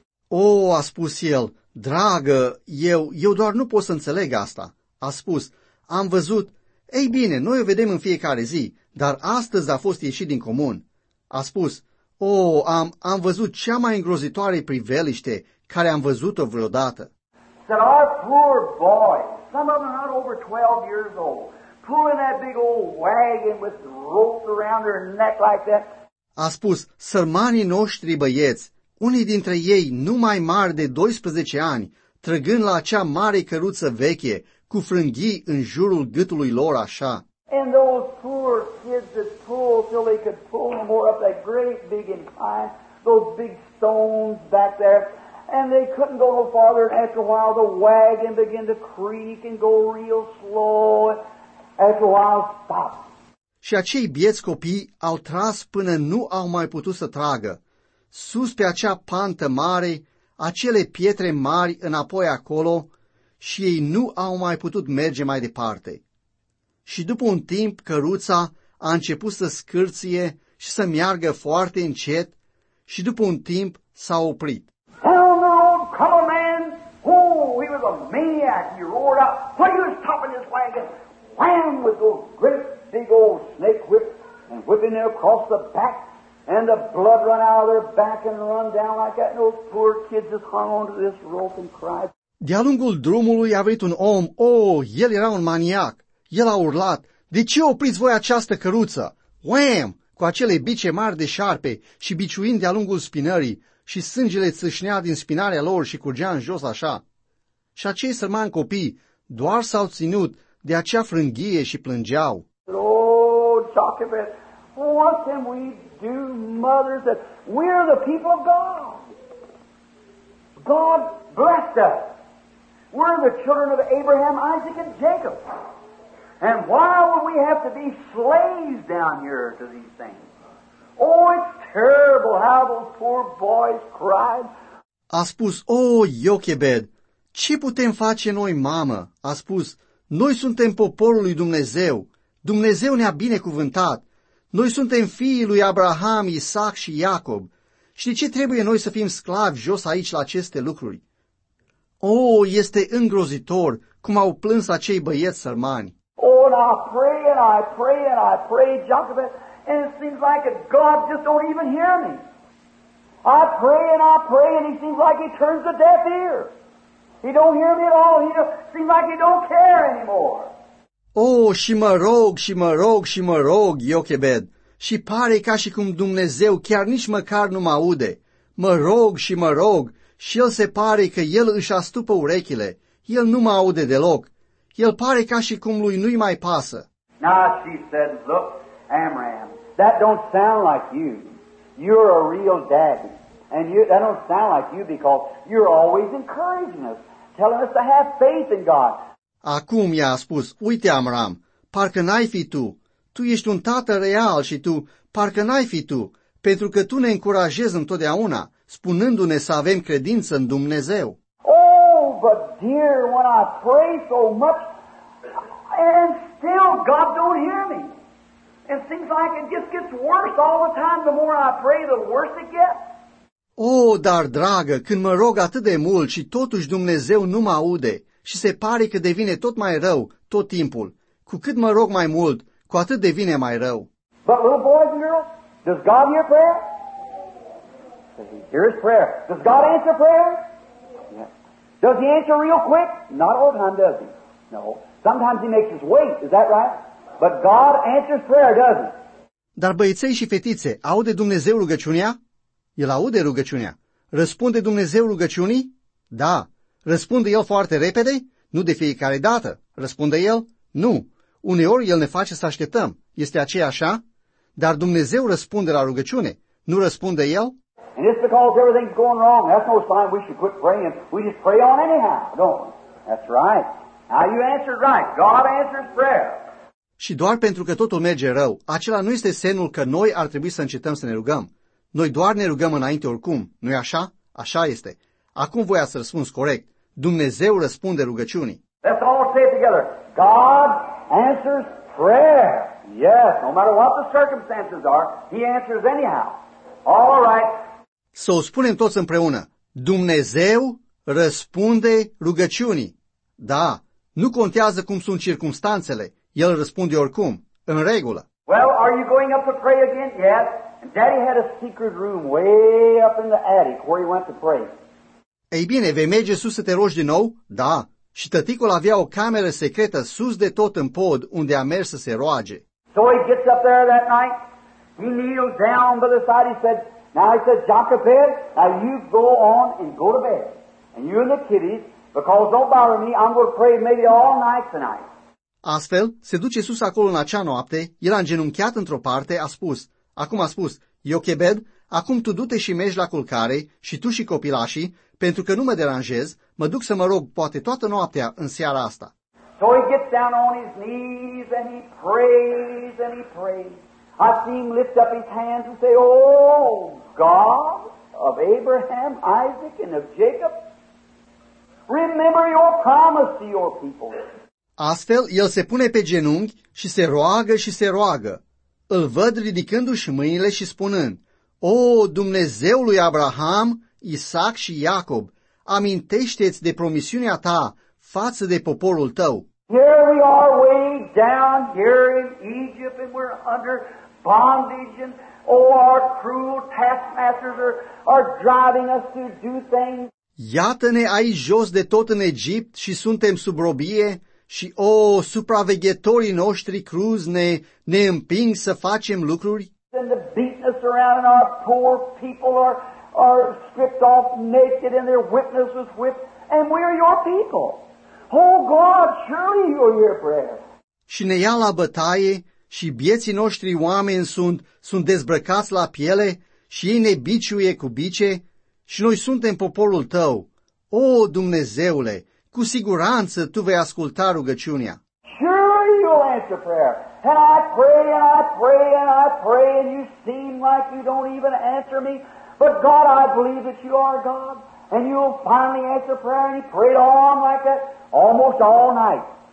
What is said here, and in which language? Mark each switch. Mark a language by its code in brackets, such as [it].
[ro] Oh, a spus el, dragă, eu doar nu pot să înțeleg asta. A spus, am văzut, Ei bine, noi o vedem în fiecare zi, dar astăzi a fost ieșit din comun. A spus, am văzut cea mai îngrozitoare priveliște care am văzut-o vreodată. [en] Said, our poor boy, some of them not over 12 years old, pulling that big old wagon with ropes around her neck like that. [ro] A spus, sărmanii noștri băieți, unii dintre ei numai mari de 12 ani, trăgând la acea mare căruță veche, cu frânghii în jurul gâtului lor așa. [en] And those poor kids that pulled till they could pull no more up that great big incline, those big stones back there, and they couldn't go no farther, and after a while the wagon began to creak and go real slow, after a while stop. [ro] Și acei bieți copii au tras până nu au mai putut să tragă. Sus pe acea pantă mare, acele pietre mari înapoi acolo, și ei nu au mai putut merge mai departe. Și după un timp, căruța a început să scârție și să meargă foarte încet, și după un timp s-a oprit. [en] Down the road, come a man! Oh, he was a maniac, he roared out. What are you stopping this wagon? Wham! With those great big old snake whips and whipping it across the back, and the blood run out of their back and run down like that, and those poor kids just hung onto this rope and cried. [ro] De-a lungul drumului a venit un om, el era un maniac. El a urlat, de ce opriți voi această căruță? Wham! Cu acele bice mari de șarpe și biciuind de-a lungul spinării și sângele țâșnea din spinarea lor și curgea în jos așa. Și acei sărmani copii doar s-au ținut de acea frânghie și plângeau. [en] Oh, Jochebed, what can we do, mother, that we are the people of God? God blessed us. We're the children of Abraham, Isaac, and Jacob. And why would we have to be slaves down here to these things? Oh, it's terrible how those poor boys cried. [ro] A spus, Jochebed, ce putem face noi, mamă? A spus, noi suntem poporul lui Dumnezeu. Dumnezeu ne-a binecuvântat. Noi suntem fiii lui Abraham, Isaac și Iacob. Și de ce trebuie noi să fim sclavi jos aici la aceste lucruri? Este îngrozitor cum au plâns acei băieți sărmani. [en] Oh, and I pray and I pray and I pray, Jochebed, and it seems like God just don't even hear me. I pray and I pray and he seems like he turns a deaf ear. He don't hear me at all. He seems like he don't care anymore. [ro] Și mă rog și mă rog și mă rog, Jochebed, și pare ca și cum Dumnezeu chiar nici măcar nu mă aude. Mă rog și mă rog. Și el se pare că el își astupă urechile. El nu mă aude deloc. El pare ca și cum lui nu-i mai pasă. [en] Now she said, look, Amram, that don't sound like you. You're a real daddy. And you, that don't sound like you because you're always encouraging us, telling us to have faith in God. [ro] Acum i-a spus, uite, Amram, parcă n-ai fi tu. Tu ești un tată real și tu, parcă n-ai fi tu, pentru că tu ne încurajezi întotdeauna, spunându-ne să avem credință în Dumnezeu. [en] Oh, but dear, when I pray so much, and still God don't hear me. It seems like it just gets worse all the time. The more I pray, the worse it gets. [ro] Oh, dar dragă, când mă rog atât de mult și totuși Dumnezeu nu mă aude și se pare că devine tot mai rău tot timpul, cu cât mă rog mai mult, cu atât devine mai rău. [en] But little boys and girls, does God hear prayer? Does he hear his prayer? Does God answer prayer? Yes. Does he answer real quick? Not all the time, does he? No. Sometimes he makes us wait, is that right? But God answers prayer, does he? [ro] Dar băieței și fetițe, aude Dumnezeu rugăciunea? El aude rugăciunea. Răspunde Dumnezeu rugăciunii? Da. Răspunde el foarte repede? Nu de fiecare dată. Răspunde el? Nu. Uneori el ne face să așteptăm. Este aceea așa? Dar Dumnezeu răspunde la rugăciune. Nu răspunde el? [en] And it's because everything's going wrong. That's no sign we should quit praying. We just pray on anyhow, don't we? That's right. Now you answered right. God answers prayer. [ro] Și doar pentru că totul merge rău, acela nu este semnul că noi ar trebui să încetăm să ne rugăm. Noi doar ne rugăm înainte oricum, nu-i așa? Așa este. Acum voi ați răspuns corect. Dumnezeu răspunde rugăciunii. [en] Let's all say it together. God answers prayer. Yes, no matter what the circumstances are, he answers anyhow. All right. [ro] Să o spunem toți împreună. Dumnezeu răspunde rugăciunii. Da, nu contează cum sunt circumstanțele. El răspunde oricum, în regulă. [en] Well, are you going up to pray again? Yes. And Daddy had a secret room way up in the attic where he went to pray. [ro] Ei bine, vei merge sus să te rogi din nou? Da. Și tăticul avea o cameră secretă sus de tot în pod unde a mers să se roage. [en] So he gets up there that night. He kneels down by the side. He said, now he said, Jacobed, now you go on and go to bed. And you and the kiddies, because don't bother me, I'm going to pray maybe all night tonight. [ro] Astfel, se duce sus acolo în acea noapte, el a îngenunchiat într-o parte, a spus, Jochebed, acum tu du-te și mergi la culcare și tu și copilașii, pentru că nu mă deranjez, mă duc să mă rog poate toată noaptea în seara asta. [en] So he gets down on his knees and he prays and he prays. I see him lift up his hands and say, oh God of Abraham, Isaac and of Jacob, remember your promise to your people. [ro] Astfel, el se pune pe genunchi și se roagă și se roagă. Îl văd ridicându-și mâinile și spunând, O, Dumnezeul lui Abraham, Isaac și Iacob, amintește-ți de promisiunea ta față de poporul tău. [en] Here we are way down here in Egypt and we're under bondage and oh, our cruel taskmasters are driving us to do things. [ro] Iată-ne aici jos de tot în Egipt și suntem sub robie. Și, oh, supraveghetorii noștri cruzi ne împing să facem lucruri. [en] And the beatness around our poor people are stripped off naked and their witness was whipped. And we are your people. Oh, God, surely you are your prayer. [ro] Și ne ia la bătaie și bieții noștri oameni sunt dezbrăcați la piele și ei ne biciuie cu bice și noi suntem poporul tău. Oh, Dumnezeule! Cu siguranță tu vei asculta rugăciunea. [en] Sure you'll answer prayer. And I pray and I pray and I pray and you seem like you don't even answer me. But God, I believe that you are God. And you'll finally answer prayer and you prayed on like that almost all night.